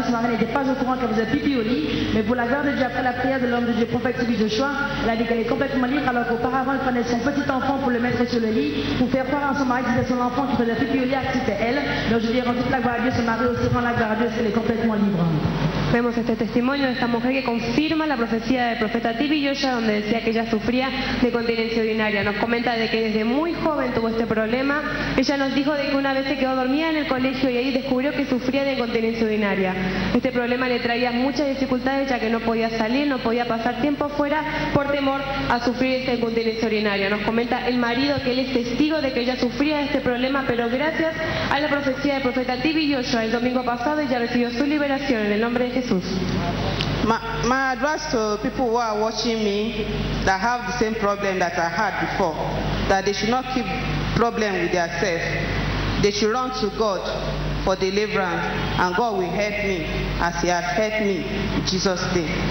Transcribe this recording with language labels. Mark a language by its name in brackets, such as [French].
[French] Son mari n'était pas au courant qu'elle faisait pipi au lit. Mais pour la gloire de Dieu, après la prière de l'homme de Dieu, prophète Tibi Joshua, elle a dit qu'elle est complètement libre. Alors qu'auparavant, elle prenait son petit enfant pour le mettre sur le lit, pour faire croire à son mari que c'était son enfant qui faisait pipi au lit, que c'était elle. Donc je lui ai rendu toute la gloire à Dieu. Son mari aussi rend la gloire à Dieu, elle est complètement libre. [Spanish] Vemos este testimonio de esta mujer que confirma la profecía del profeta Tibi Joshua, donde decía que ella sufría de continencia urinaria. Nos comenta de que desde muy joven tuvo este problema. Ella nos dijo de que una vez se quedó dormida en el colegio y ahí descubrió que sufría de continencia urinaria. Este problema le traía muchas dificultades, ya que no podía salir, no podía pasar tiempo afuera por temor a sufrir esta incontinencia urinaria. Nos comenta el marido que él es testigo de que ella sufría de este problema, pero gracias a la profecía del profeta Tibi Joshua, el domingo pasado ella recibió su liberación en el nombre de Jesús. [English] My advice to people who are watching me that have the same problem that I had before, that they should not keep problem with themselves. They should run to God for deliverance, and God will help me as He has helped me in Jesus' name.